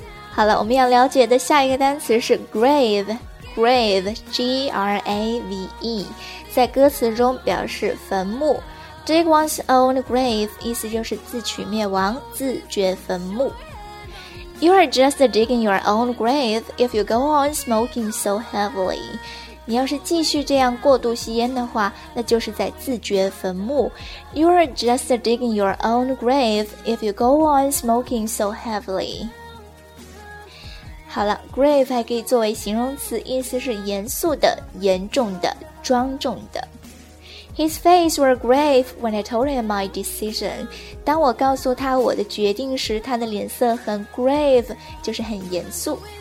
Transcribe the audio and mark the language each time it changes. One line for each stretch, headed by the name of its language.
Chinese: 好了我们要了解的下一个单词是
English: grave Grave G-R-A-V-E
Chinese: 在歌词中表示坟墓
English: Dig one's own grave
Chinese: 意思就是自取灭亡自掘坟墓
English: You are just digging your own grave if you go on smoking so heavily.
Chinese: 你要是继续这样过度吸烟的话，那就是在自掘坟墓。
English: You are just digging your own grave if you go on smoking so heavily.
Chinese: 好了 ,grave 还可以作为形容词，意思是严肃的、严重的、庄重的。
English: His face was grave when I told him my decision.
Chinese: 当我告诉他我的决定时，他的脸色很 grave, 就是很严肃。